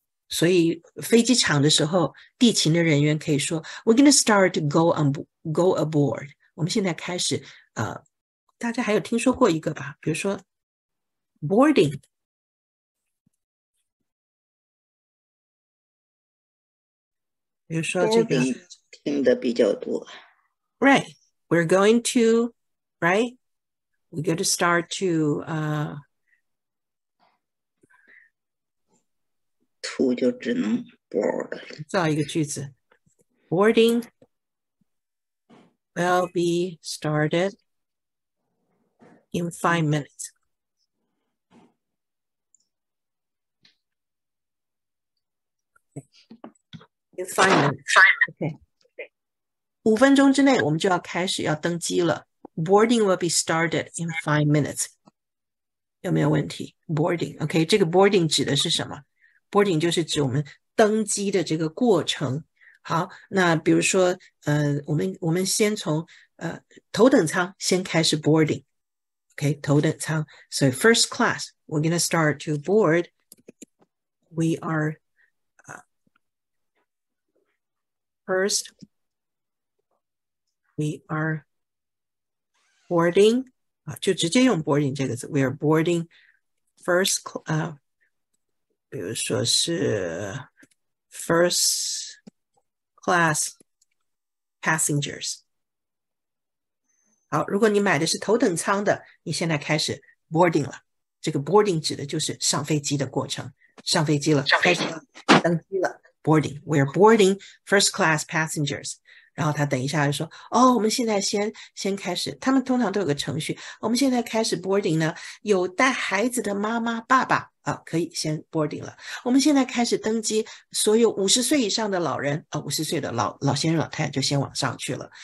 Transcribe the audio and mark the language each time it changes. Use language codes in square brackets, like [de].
[zh] 所以飞机场的时候，地勤的人员可以说： [en] “We're gonna start go on go aboard。 [zh] ”我们现在开始，大家还有听说过一个吧？比如说 boarding，比如说这个 boarding 听的比较多。 [en] ，right，we're going to，right，we got to start to [zh] 图就只能 board 了。造一个句子， [en] boarding will be started in 5 minutes。 In 5 minutes， [zh] OK，5分钟之内我们就要开始要登机了。 [en] Boarding will be started in 5 minutes。 [zh] 有没有问题？ [en] Boarding，OK，这个 boarding [zh] 指的是什么？ [en] Boarding [zh] 就是指我们。登机的这个过程，好，那比如说，我们先从头等舱先开始 boarding，OK，头等舱，所以 [en] first class，we're gonna start to board we are first, we are boarding, [zh] 就直接用 [en] boarding [zh] 这个字, [en] we are boarding first, [zh] 比如说是 [en] first class passengers。 [zh] 好，如果你买的是头等舱的，你现在开始 boarding 了。这个 boarding 指的就是上飞机的过程，上飞机了，开始了，登机了。 [en] boarding, we are boarding first class passengers。 [zh] 然后他等一下就说，哦，我们现在先开始，他们通常都有个程序，我们现在开始 boarding 呢，有带孩子的妈妈爸爸啊，可以先 boarding 了，我们现在开始登机，所有50岁以上的老人啊，50岁的老先生老太太就先往上去了